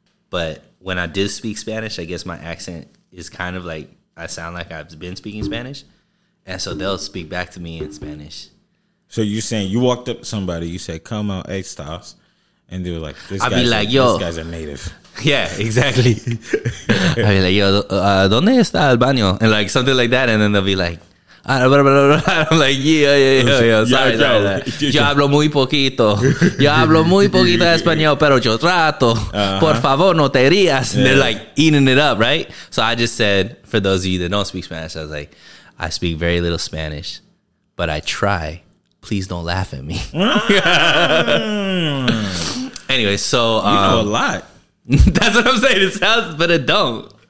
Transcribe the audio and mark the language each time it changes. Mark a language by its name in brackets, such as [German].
[English] But when I did speak Spanish, I guess my accent is kind of like, I sound like I've been speaking Spanish. And so they'll speak back to me in Spanish. So you're saying you walked up to somebody, you said, come out, estas. And they were like, this guy's a native. Yeah, exactly. I'd be like, [Spanish] yo, ¿dónde está el baño? [English] And like something like that. And then they'll be like, ah, blah, blah, blah. I'm like, [Spanish] yo, sorry. Yo hablo muy poquito. Yo hablo muy poquito de español, pero yo trato. Uh-huh. Por favor, no te rías. Yeah. [English] And they're like eating it up, right? So I just said, for those of you that don't speak Spanish, I was like, I speak very little Spanish, but I try. Please don't laugh at me. Anyway, so you know a lot. That's what I'm saying. It sounds, but it don't.